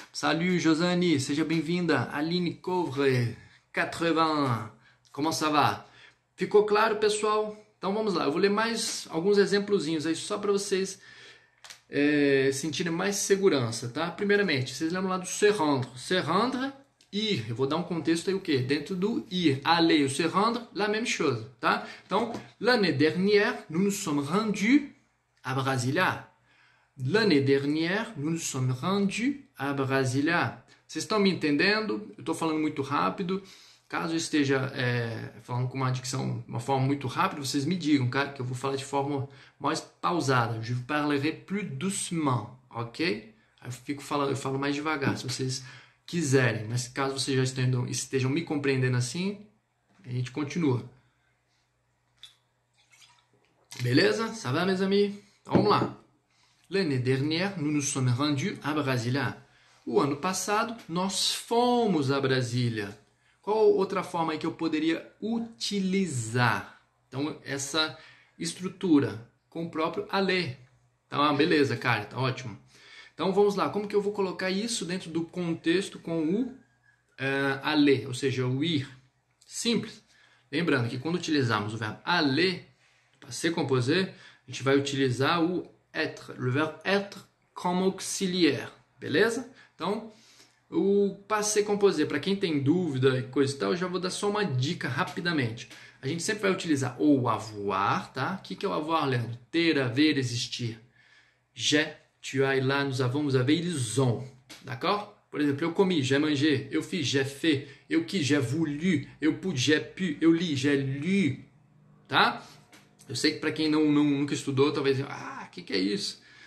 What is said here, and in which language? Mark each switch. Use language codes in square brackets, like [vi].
[pt] Salut, Josani, seja bem-vinda. Aline Couvre, 80, como [fr] ça va? [pt] Ficou claro, pessoal? Então vamos lá, eu vou ler mais alguns exemplozinhos aí só para vocês sentirem mais segurança, tá? Primeiramente, vocês lembram lá do se rendre. Se rendre, ir. Eu vou dar um contexto aí o quê? Dentro do ir. [fr] Aller, se rendre, la même chose, [pt] tá? Então, [fr] l'année dernière, nous nous sommes rendus à Brasilia. L'année dernière, nous nous sommes rendus à Brasilia. [pt] Vocês estão me entendendo? Eu estou falando muito rápido. Caso eu esteja falando com uma dicção de uma forma muito rápida, vocês me digam, cara, que eu vou falar de forma mais pausada. [fr] Je parlerai plus doucement, ok? [pt] Eu falo mais devagar, se vocês quiserem. Mas caso vocês já estejam me compreendendo assim, a gente continua. Beleza? [fr] Ça va, mes amis? [pt] Vamos lá. [fr] L'année dernière, nous nous sommes rendus à Brasilia. [pt] O ano passado, nós fomos à Brasília. Qual outra forma aí que eu poderia utilizar? Então, essa estrutura com o próprio aller. Então, beleza, cara, tá ótimo. Então, vamos lá. Como que eu vou colocar isso dentro do contexto com o aller, ou seja, o ir? Simples. Lembrando que quando utilizarmos o verbo aller, para se composer, a gente vai utilizar o être, o verbo être como auxiliaire, beleza? Então, o passé composé, para quem tem dúvida e coisa e tal, eu já vou dar só uma dica rapidamente. A gente sempre vai utilizar o avoir, tá? O que é o avoir, Leandro? Ter, haver, existir. [fr] J'ai, tu as, là, nous avons, vous avez, ils ont. D'accord? [pt] Por exemplo, eu comi, [fr] j'ai mangé, [pt] eu fiz, [fr] j'ai fait, [pt] eu quis, [fr] j'ai voulu, [pt] eu pude, [fr] j'ai pu, [pt] eu li, [fr] j'ai lu. [pt] Tá? Eu sei que para quem nunca estudou, talvez, ah, que é isso?